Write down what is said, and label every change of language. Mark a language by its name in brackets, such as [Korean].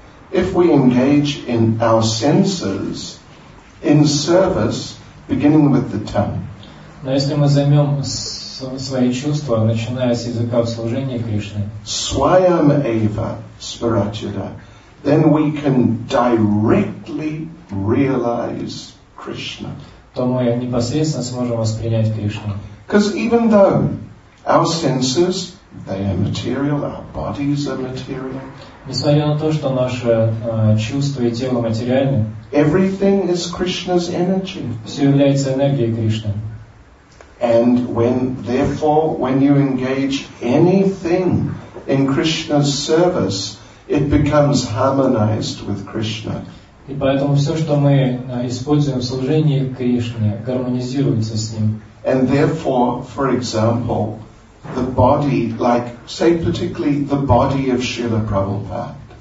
[English] If we engage in our senses in service, beginning with the tongue. [Russian] Но если мы займем свои чувства, начиная с языка в служении Кришне. [Sanskrit] Swayam eva spiratyada. [English] Then we can directly realize Krishna. [Russian] То мы непосредственно сможем воспринять Кришну. [English] Because even though our senses, they are material, our bodies are material. [Russian] Несмотря на то, что наши чувства и тело материальны. [English] Everything is Krishna's energy. [Russian] Все является энергией Кришны. [English] And when, therefore, when you engage anything in Krishna's service, it becomes harmonized with Krishna. [Russian] И поэтому все, что мы используем в служении Кришне, гармонизируется с Ним. [English] And therefore, for example, the body, like, say, particularly the body of Srila